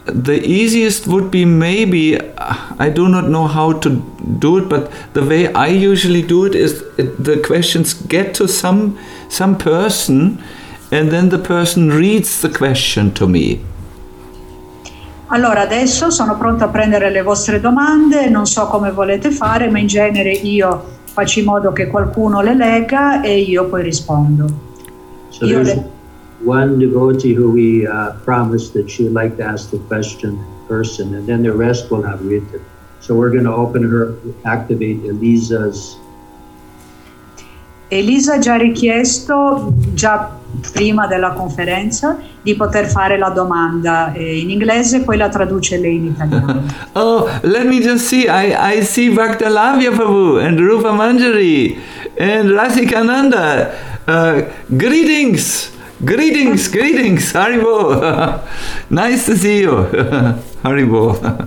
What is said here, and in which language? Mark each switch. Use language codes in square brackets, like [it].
[en] The easiest would be maybe, I do not know how to do it, but the way I usually do it is the questions get to some person and then the person reads the question to me. [it] Allora, adesso sono pronto a prendere le vostre domande, non so come volete fare, ma in genere io faccio in modo che qualcuno le legga e io poi rispondo. [en] So one devotee who we promised that she would like to ask the question in person, and then the rest will have written. So we're going to open her, activate Elisa's. [it] Elisa già richiesto, già prima della conferenza, di poter fare la domanda in inglese, poi la traduce lei in italiano. [en] Oh, let me just see, I see Bhakta Lavya Prabhu and Rupa Manjari and Rasikananda. Greetings! Greetings, greetings, Haribo. Nice to see you, Haribo.